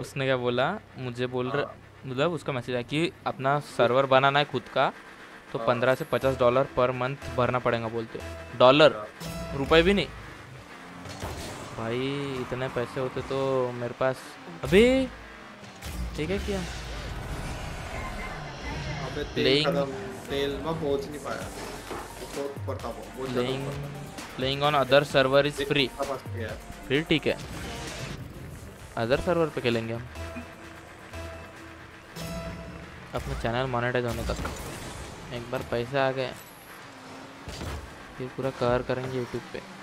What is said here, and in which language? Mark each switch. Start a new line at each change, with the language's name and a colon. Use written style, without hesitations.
Hindi: उसने क्या बोला मुझे बोल रहा मतलब उसका मैसेज है कि अपना सर्वर बनाना है खुद का तो 15 से $50 पर मंथ भरना पड़ेगा बोलते डॉलर रुपए भी नहीं भाई इतने पैसे होते तो मेरे पास अबे ठीक है क्या अबे तेल में पहुंच नहीं पाया
English: Playing on other server is free.
Hindi: फिर ठीक है अदर सर्वर पे खेलेंगे हम अपना चैनल मोनेटाइज होने तक एक बार पैसे आ गए फिर पूरा कवर करेंगे यूट्यूब पे